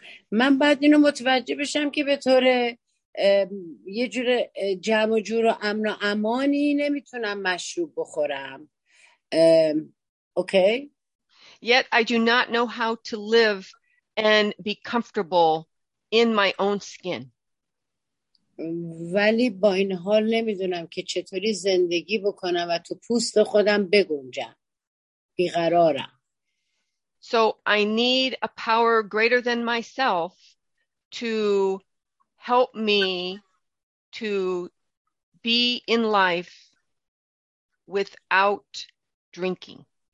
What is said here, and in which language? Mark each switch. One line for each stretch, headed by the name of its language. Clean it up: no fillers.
Persian: من بعد اینو متوجه بشم که به طور یه جور جمع و جور و امن و امانی نمیتونم مشروب بخورم.
English: Okay? Yet I do not know how to live and be comfortable in my own skin.
Persian: ولی با این حال نمیدونم که چطوری زندگی بکنم و تو پوست خودم بگنجم. بیقرارم.
English: So I need a power greater than myself to help me to be in life without drinking.